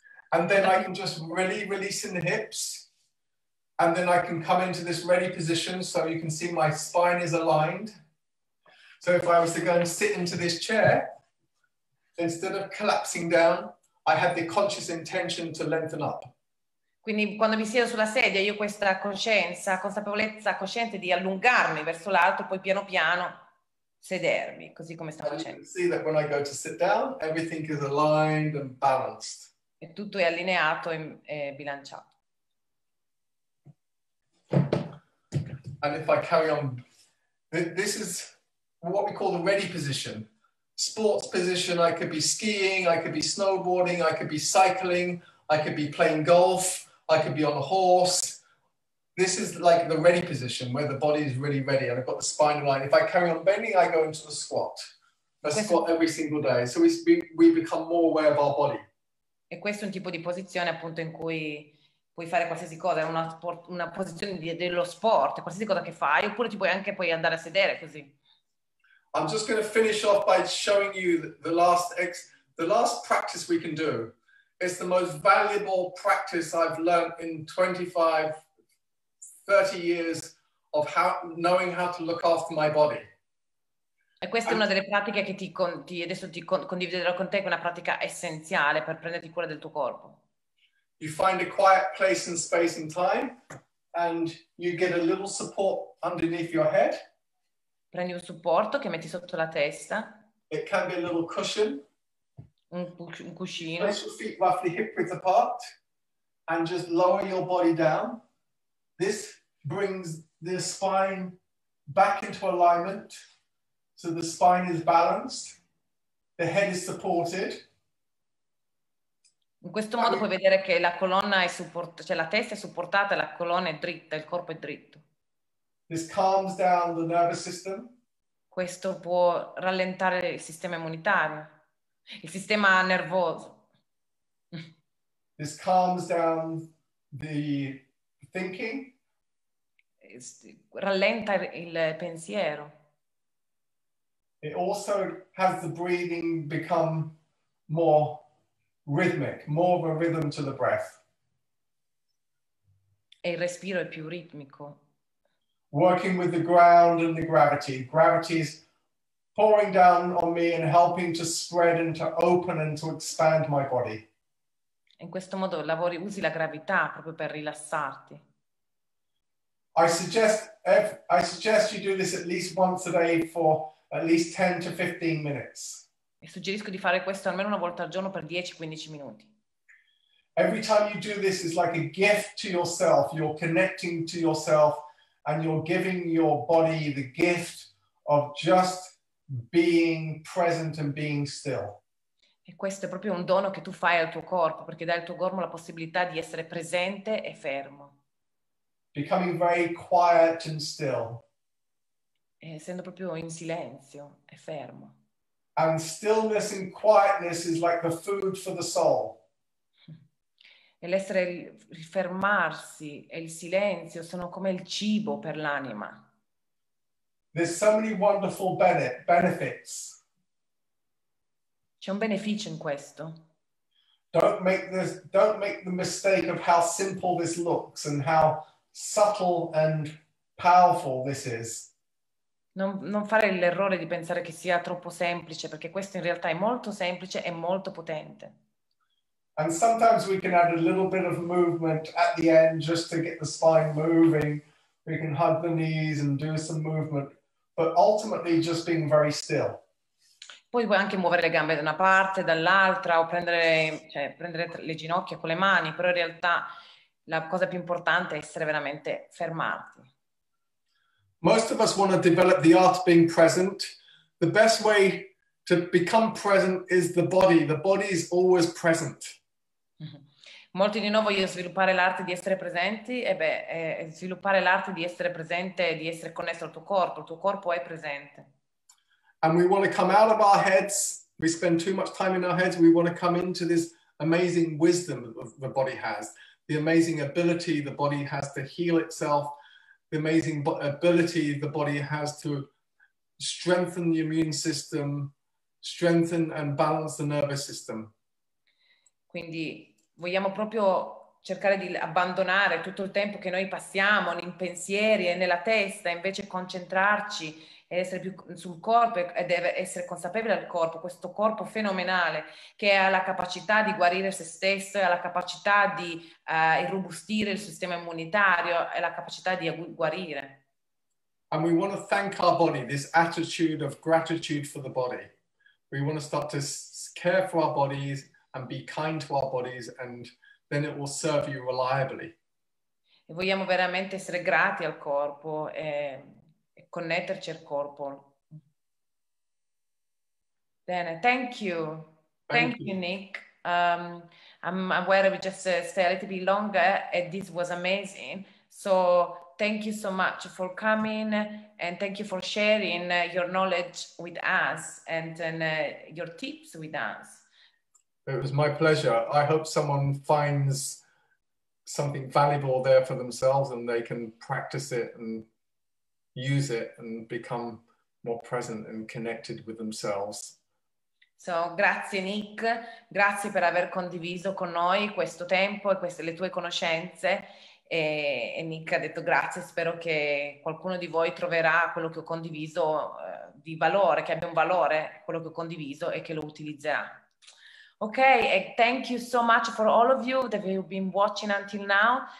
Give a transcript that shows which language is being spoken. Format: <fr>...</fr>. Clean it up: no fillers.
<en>And then I can just really release in the hips. And then I can come into this ready position so you can see my spine is aligned. So if I was to go and sit into this chair, instead of collapsing down, I have the conscious intention to lengthen up.</en> <it>Quindi quando mi siedo sulla sedia, io ho questa coscienza, consapevolezza cosciente di allungarmi verso l'alto, poi piano piano sedermi, così come sta facendo.</it> <en>You can see that when I go to sit down, everything is aligned and balanced.</en> <it>E tutto è allineato e bilanciato.</it> <en>And if I carry on, this is what we call the ready position. Sports position, I could be skiing, I could be snowboarding, I could be cycling, I could be playing golf, I could be on a horse. This is like the ready position where the body is really ready and I've got the spine aligned. If I carry on bending, I go into the squat. I squat every single day. So we become more aware of our body.</en> <it>E questo è un tipo di posizione appunto in cui puoi fare qualsiasi cosa, è una posizione dello sport, qualsiasi cosa che fai, oppure ti puoi anche puoi andare a sedere così.</it> <en>I'm just going to finish off by showing you the last practice we can do. It's the most valuable practice I've learned in 25, 30 years of how knowing how to look after my body.</en> <it>E questa è una delle pratiche che adesso ti condividerò con te, che è una pratica essenziale per prenderti cura del tuo corpo.</it> <en>You find a quiet place in space and time, and you get a little support underneath your head.</en> <it>Prendi un supporto che metti sotto la testa.</it> <en>It can be a little cushion.</en> <it>Un cuscino.</it> <en>Place your feet roughly hip width apart, and just lower your body down. This brings the spine back into alignment, so the spine is balanced, the head is supported.</en> <it>In questo modo puoi vedere che la colonna è supportata, cioè la testa è supportata, la colonna è dritta, il corpo è dritto.</it> <en>This calms down the nervous system.</en> <it>Questo può rallentare il sistema immunitario, il sistema nervoso.</it> <en>This calms down the thinking.</en> <it>Rallenta il pensiero.</it> <en>It also has the breathing become more rhythmic, more of a rhythm to the breath.</en> <it>E il respiro è più ritmico.</it> <en>Working with the ground and the gravity. Gravity is pouring down on me and helping to spread and to open and to expand my body.</en> <it>In questo modo lavori, usi la gravità proprio per rilassarti.</it> <en>I suggest you do this at least once a day for at least 10 to 15 minutes.</en> <it>E suggerisco di fare questo almeno una volta al giorno per 10-15 minuti.</it> <en>Every time you do this is like a gift to yourself. You're connecting to yourself and you're giving your body the gift of just being present and being still.</en> <it>E questo è proprio un dono che tu fai al tuo corpo, perché dai al tuo corpo la possibilità di essere presente e fermo.</it> <en>Becoming very quiet and still.</en> <it>Essendo proprio in silenzio e fermo.</it> <en>And stillness and quietness is like the food for the soul.</en> <it>E l'essere, fermarsi e il silenzio sono come il cibo per l'anima.</it> <en>There's so many wonderful benefits.</en> <it>C'è un beneficio in questo.</it> <en>Don't make the mistake of how simple this looks and how subtle and powerful this is.</en> <it>Non fare l'errore di pensare che sia troppo semplice, perché questo in realtà è molto semplice e molto potente.</it> <en>And sometimes we can add a little bit of movement at the end just to get the spine moving. We can hug the knees and do some movement, but ultimately just being very still.</en> <it>Poi puoi anche muovere le gambe da una parte, dall'altra, o prendere le ginocchia con le mani, però in realtà la cosa più importante è essere veramente fermati.</it> <en>Most of us want to develop the art of being present. The best way to become present is the body. The body is always present.</en> <it>Molti di noi vogliono sviluppare l'arte di essere presenti. Sviluppare l'arte di essere presente, di essere connesso al tuo corpo. Il tuo corpo è presente.</it> <en>And we want to come out of our heads. We spend too much time in our heads. We want to come into this amazing wisdom the body has. The amazing ability the body has to heal itself. The amazing ability the body has to strengthen the immune system, strengthen and balance the nervous system.</en> <it>Quindi vogliamo proprio cercare di abbandonare tutto il tempo che noi passiamo in pensieri e nella testa, invece concentrarci e essere più sul corpo e deve essere consapevole del corpo, questo corpo fenomenale che ha la capacità di guarire se stesso, ha la capacità di irrobustire il sistema immunitario e la capacità di guarire.</it> <en>And we want to thank our body, this attitude of gratitude for the body. We want to start to care for our bodies and be kind to our bodies, and then it will serve you reliably.</en> <it>E vogliamo veramente essere grati al corpo e connetterci al corpo.</it> <en>Bene, thank you, Nick. I'm aware we just stay a little bit longer, and this was amazing. So thank you so much for coming, and thank you for sharing your knowledge with us and your tips with us. It was my pleasure. I hope someone finds something valuable there for themselves and they can practice it and use it and become more present and connected with themselves.</en> <it>So, grazie Nick, grazie per aver condiviso con noi questo tempo e queste le tue conoscenze, e Nick ha detto grazie, spero che qualcuno di voi troverà quello che ho condiviso di valore, che abbia un valore quello che ho condiviso e che lo utilizzerà.</it> <en>Ok, and thank you so much for all of you that you've been watching until now.</en>